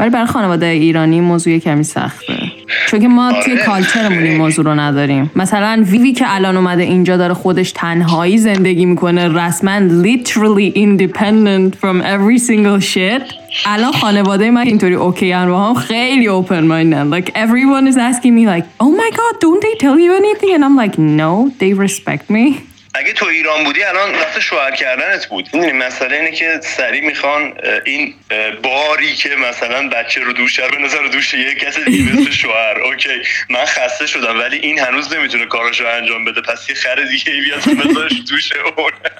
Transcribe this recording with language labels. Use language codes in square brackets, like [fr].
[fa] ولی برای خانواده ایرانی موضوع کمی سخته، چون که ما توی کالچرمون این موضوع رو نداریم. مثلا ویوی که الان اومده اینجا داره خودش تنهایی زندگی میکنه، رسماً [en] literally independent from every single shit، [fa] الان خانواده من اینطوری اوکی هم و هم خیلی open minded. [en] Like everyone is asking me like oh my god don't they tell you anything and I'm like no they respect me. [fa] اگه تو ایران بودی الان وقت شوهر کردنت بود. میدونی مسئله اینه که سری میخوان این باری که مثلا بچه رو دوش داره بندازن رو دوش یه کس دیگه مثل شوهر. اوکی من خسته شدم ولی این هنوز نمیتونه کاراشو انجام بده، پس یه خر دیگه بیاد بذارش دوش اون.